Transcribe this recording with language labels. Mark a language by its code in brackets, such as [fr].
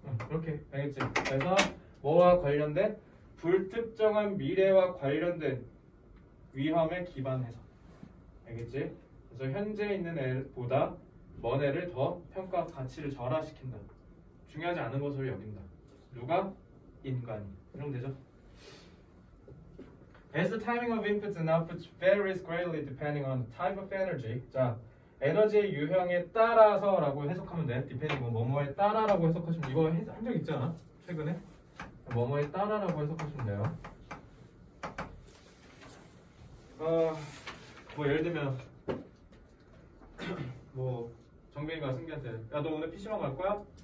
[ko] 이렇게 알겠지? 그래서 뭐와 관련된? 불특정한 미래와 관련된 위험에 기반해서. 알겠지? 그래서 현재 있는 애보다 먼 애를 더 평가 가치를 절하시킨다. 중요하지 않은 것으로 여긴다. 누가? 인간이. 이러면 되죠? [en] As the timing of inputs and outputs varies greatly depending on the type of energy. [ko] 자, 에너지의 유형에 따라서 라고 해석하면 돼. Depending on 뭐뭐에 따라 라고 해석하시면, 이거 한 적 있잖아 최근에. 뭐뭐에 따라 라고 해석하시면 돼요. 뭐 예를 들면 뭐 정빈이가 승기한테, 야 너 오늘 PC방 갈 거야?